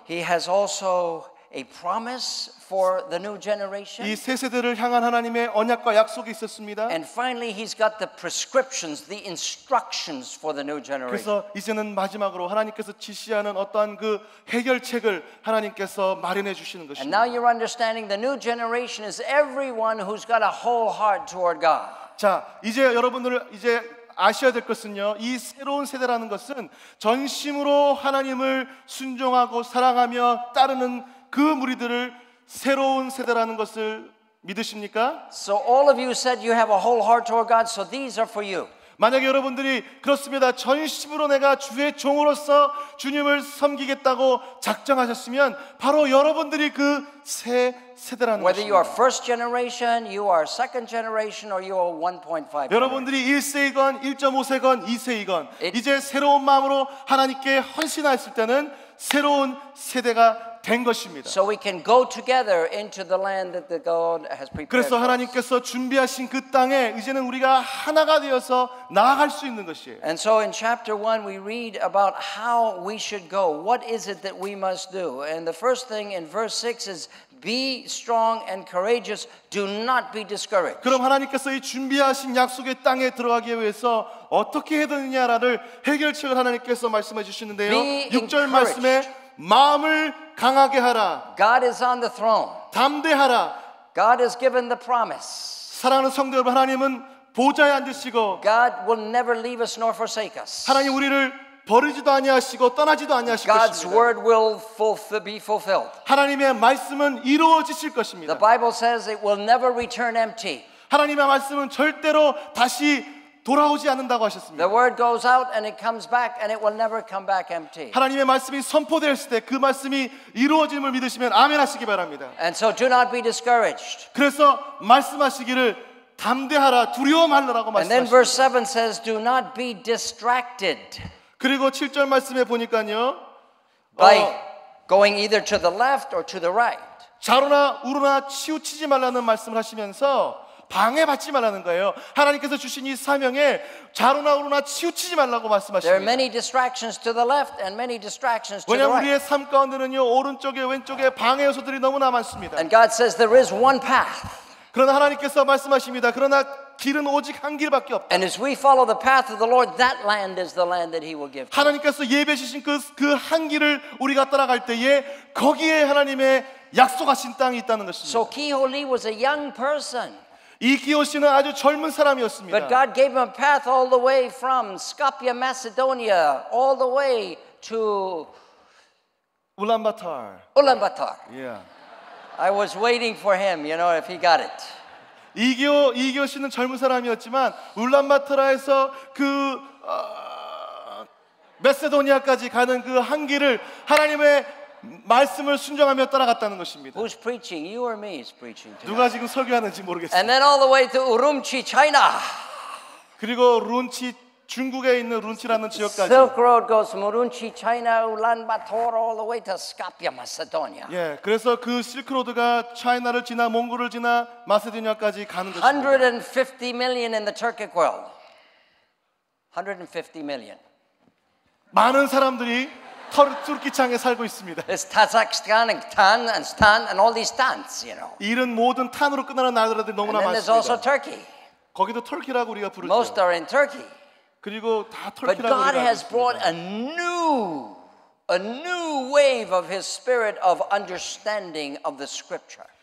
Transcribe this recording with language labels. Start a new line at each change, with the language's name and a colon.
English: He has also a promise for the new generation.
Korean: 이 새 세대를 향한 하나님의 언약과 약속이 있었습니다.
English: And finally he's got the prescriptions, the instructions for the new generation.
Korean: 그래서 이제는 마지막으로 하나님께서 지시하는 어떠한 그 해결책을 하나님께서 마련해 주시는 것입니다.
English: And now you're understanding the new generation is everyone who's got a whole heart toward God.
Korean: 자, 이제 여러분들 이제 아셔야 될 것은요. 이 새로운 세대라는 것은 전심으로 하나님을 순종하고 사랑하며 따르는 그 무리들을 새로운 세대라는 것을 믿으십니까?
English: So all of you said you have a whole heart toward God, so these are for you.
Korean: 만약에 여러분들이 그렇습니다. 전심으로 내가 주의 종으로서 주님을 섬기겠다고 작정하셨으면 바로 여러분들이 그 새 세대라는
English: Whether
Korean: 것입니다.
English: you are first generation, you are second generation, or you are 1.5
Korean: 여러분들이 1세이건, 1.5세이건, 2세이건
English: It...
Korean: 이제 새로운 마음으로 하나님께 헌신하였을 때는 새로운 세대가 된 것입니다.
English: So we can go together into the land that the God has prepared.
Korean: 그래서 하나님께서 준비하신 그 땅에 이제는 우리가 하나가 되어서 나아갈 수 있는 것이에요.
English: And so in chapter 1 we read about how we should go. What is it that we must do? And the first thing in verse 6 is be strong and courageous. Do not be discouraged.
Korean: 그럼 하나님께서 이 준비하신 약속의 땅에 들어가기 위해서 어떻게 해야 되느냐를 해결책을 하나님께서 말씀해 주시는데요. 6절
English: encouraged.
Korean: 말씀에 마음을 강하게 하라.
English: God is on the throne.
Korean: 담대하라.
English: God has given the promise.
Korean: 사랑하는 성도 여러분, 하나님은 보좌에 앉으시고
English: God will never leave us nor forsake us.
Korean: 하나님 우리를 버리지도 아니하시고 떠나지도 아니하실
English: God's
Korean: 것입니다.
English: word will be fulfilled.
Korean: 하나님의 말씀은 이루어지실 것입니다.
English: The Bible says it will never return empty.
Korean: 하나님의 말씀은 절대로 다시 돌아오지 않는다고 하셨습니다.
English: The word goes out and it comes back and it will never come back empty.
Korean: 하나님의 말씀이 선포되었을 때 그 말씀이 이루어짐을 믿으시면 아멘 하시기 바랍니다.
English: And so do not be discouraged.
Korean: 그래서 말씀하시기를 담대하라 두려워 말라라고 말씀하셨습니다.
English: And then verse 7 says do not be distracted.
Korean: 그리고 7절 말씀에 보니까요.
English: By going either to the left or to the right.
Korean: 좌로나 우로나 치우치지 말라는 말씀을 하시면서 방해받지 말라는 거예요. 하나님께서 주신 이 사명에 좌로나 우로나 치우치지 말라고 말씀하십니다.
English: There are many distractions to the left and many distractions to the right.
Korean: 왜냐 우리의 삶 가운데는요 오른쪽에 왼쪽에 방해 요소들이 너무나 많습니다.
English: And God says there is one path.
Korean: 그러나 하나님께서 말씀하십니다. 그러나 길은 오직 한 길밖에 없다.
English: And as we follow the path of the Lord, that land is the land that He will give.
Korean: 하나님께서 예배하신 그 한 길을 우리가 따라갈 때에 거기에 하나님의 약속하신 땅이 있다는 것입니다.
English: So Keholi was a young person.
Korean: 이 기호 씨는 아주 젊은 사람이었습니다.
English: But God gave him a path all the way from Skopje, Macedonia, all the way to Ulaanbaatar. Ulaanbaatar. Yeah. I was waiting for him, you know, if he got it.
Korean: 이기호 씨는 젊은 사람이었지만 울란바토르에서 그 메세도니아까지 가는 그 한 길을 하나님의 말씀을 순종하며 따라갔다는 것입니다.
English: Who's preaching? You or me is preaching tonight.
Korean: 누가 지금 설교하는지 모르겠어요.
English: And then all the way to Urumqi, China.
Korean: 그리고 룬치 중국에 있는 룬치라는 지역까지.
English: Silk Road goes from Urumqi, China, Ulaanbaatar, all the way to Skopje, Macedonia.
Korean: 예, 그래서 그 실크로드가 차이나를 지나 몽골을 지나 마세도니아까지 가는 것.
English: 150 million in the Turkic world. 150 million.
Korean: 많은 사람들이 터키창에 살고 있습니다.
English: It's Tazakhstan and Tan and Stan and all these Tans, you know.
Korean: 이런 모든 탄으로 끝나는 나라들이 너무나 많습니다.
English: And then there's also Turkey.
Korean: 거기도 터키라고 우리가 부르죠.
English: Most are in Turkey.
Korean: 그리고 다
English: But God has brought a new wave of His Spirit of understanding of the Scripture.